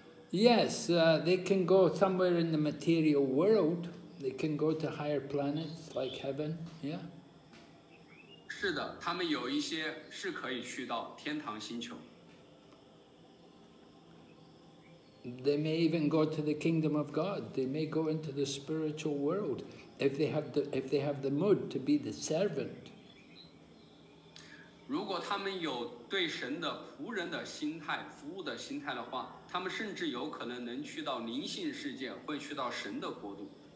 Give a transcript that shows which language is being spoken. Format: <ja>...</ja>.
<en>Yes, they can go somewhere in the material world. They can go to higher planets like heaven. Yeah.</en> <zh>是的，他们有一些是可以去到天堂星球。</zh> <en>They may even go to the kingdom of God. They may go into the spiritual world if they have the mood to be the servant.</en> <zh>如果他们有对神的仆人的心态、服务的心态的话，他们甚至有可能能去到灵性世界，会去到神的国度。</zh>